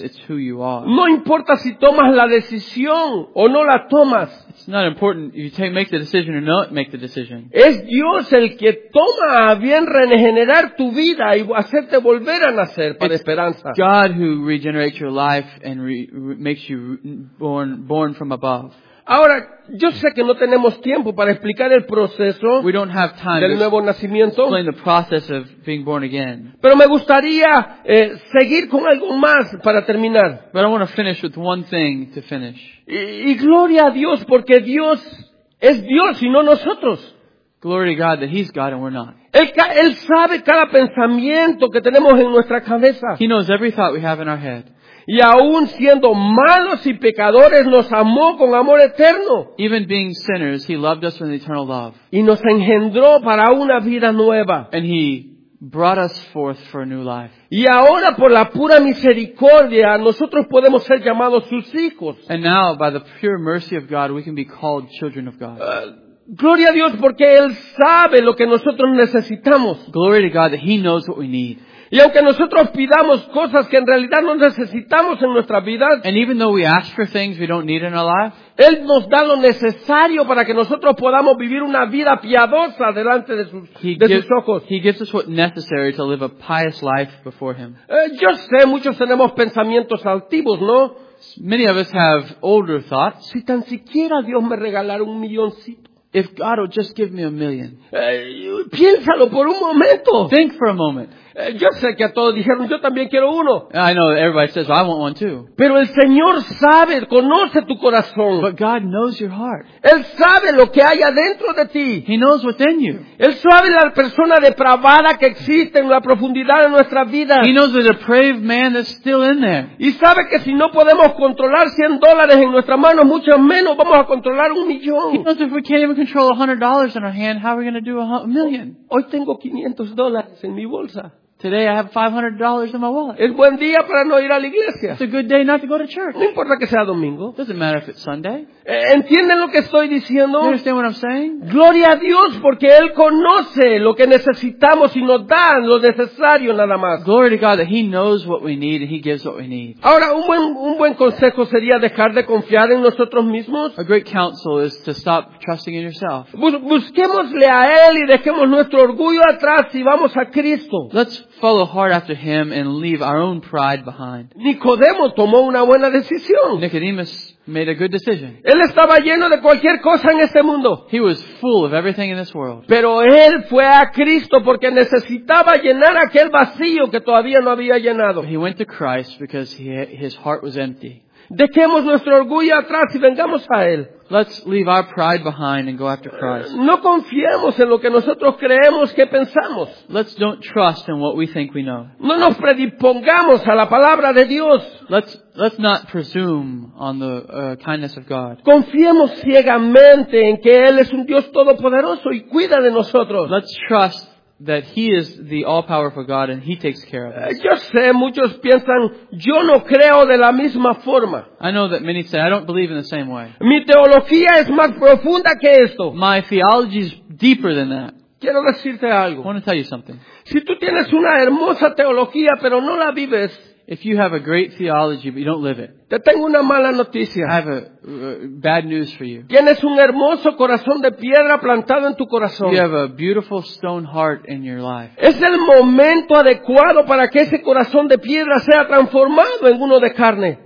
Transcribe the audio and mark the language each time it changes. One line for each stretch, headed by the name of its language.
English: It's who you are.
Spanish: No importa si tomas la decisión o no la tomas.
English: It's not important if you make the decision or not make the decision.
Spanish: Es Dios el que toma a bien regenerar tu vida y hacerte volver a nacer para
English: it's
Spanish: esperanza.
English: God who regenerates your life and makes you born from above.
Spanish: Ahora, yo sé que no tenemos tiempo para explicar el proceso del nuevo nacimiento.
English: Explain the process of being born again.
Spanish: Pero me gustaría seguir con algo más para terminar.
English: But I want to finish with one thing to finish.
Spanish: Y gloria a Dios porque Dios es Dios y no nosotros.
English: Glory to God that He's God and we're not.
Spanish: Él sabe cada pensamiento que tenemos en nuestra cabeza.
English: He knows every thought we have in our head.
Spanish: Y aún siendo malos y pecadores, nos amó con amor eterno.
English: Even being sinners, He loved us with eternal love.
Spanish: Y nos engendró para una vida nueva.
English: And He brought us forth for a new life.
Spanish: Y ahora por la pura misericordia, nosotros podemos ser llamados sus hijos.
English: And now, by the pure mercy of God, we can be called children of God.
Spanish: Gloria a Dios porque Él sabe lo que nosotros necesitamos.
English: Glory to God that He knows what we need.
Spanish: Y aunque nosotros pidamos cosas que en realidad no necesitamos en nuestra vida,
English: and even though we ask for things we don't need in our life,
Spanish: Él nos da lo necesario para que nosotros podamos vivir una vida piadosa delante de sus ojos.
English: He gives us what necessary to live a pious life before Him.
Spanish: Yo sé, muchos tenemos pensamientos altivos, ¿no?
English: Many of us have older thoughts.
Spanish: Si tan siquiera Dios me regalara un milloncito.
English: If God would just give me a million.
Spanish: Piénsalo por un momento.
English: Think for a moment.
Spanish: Yo sé que a todos dijeron, yo también quiero uno.
English: I know everybody says, I want one too.
Spanish: Pero el Señor sabe, conoce tu corazón.
English: But God knows your heart.
Spanish: Él sabe lo que hay adentro de ti.
English: He knows within you.
Spanish: Él sabe la persona depravada que existe en la profundidad de nuestra vida.
English: He knows the depraved man that's still in there.
Spanish: Y sabe que si no podemos controlar $100 en nuestra mano, mucho menos vamos a controlar un millón.
English: He knows if we can't even control $100 in our hand, how are we going to do $1,000,000?
Spanish: Hoy tengo $500 en mi bolsa.
English: Today I have $500 in my wallet.
Spanish: Es buen día para no ir a la iglesia.
English: It's a good day not to go to church.
Spanish: No importa que sea domingo.
English: Doesn't matter if it's Sunday.
Spanish: ¿Entienden lo que estoy diciendo?
English: You understand what I'm saying?
Spanish: Gloria a Dios porque Él conoce lo que necesitamos y nos da lo necesario nada más.
English: Glory to God that He knows what we need and He gives what we need.
Spanish: Ahora, un buen consejo sería dejar de confiar en nosotros mismos.
English: A great counsel is to stop trusting in yourself.
Spanish: Busquémosle a Él y dejemos nuestro orgullo atrás y vamos a Cristo.
English: Let's follow hard after Him and leave our own pride behind.
Spanish: Nicodemo tomó una buena decisión.
English: Nicodemus made a good decision.
Spanish: Él estaba lleno de cualquier cosa en este mundo.
English: He was full of everything in this world.
Spanish: Pero él fue a Cristo porque necesitaba llenar aquel vacío que todavía no había llenado.
English: He went to Christ because his heart was empty.
Spanish: Dejemos nuestro orgullo atrás y vengamos a Él.
English: Let's leave our pride behind and go after Christ.
Spanish: No confiemos en lo que nosotros creemos que pensamos.
English: Let's don't trust in what we think we know.
Spanish: No nos predispongamos a la palabra de Dios.
English: Let's not presume on the kindness of God.
Spanish: Confiemos ciegamente en que Él es un Dios todopoderoso y cuida de nosotros.
English: Let's trust that He is the all-powerful God and He takes care of us.
Spanish: Yo sé, muchos piensan, yo no creo de la misma forma.
English: I know that many say, I don't believe in the same way.
Spanish: Mi teología es más profunda que esto.
English: My theology is deeper than that.
Spanish: Quiero decirte algo.
English: I want to tell you something.
Spanish: Si tú tienes una hermosa teología, pero no la vives,
English: if you have a great theology, but you don't live it,
Spanish: te tengo una mala noticia.
English: I have a bad news for you.
Spanish: Tienes un hermoso corazón de piedra plantado en tu corazón.
English: You have a beautiful stone heart in your life.
Spanish: Es el momento adecuado para que ese corazón de piedra sea transformado en uno de carne.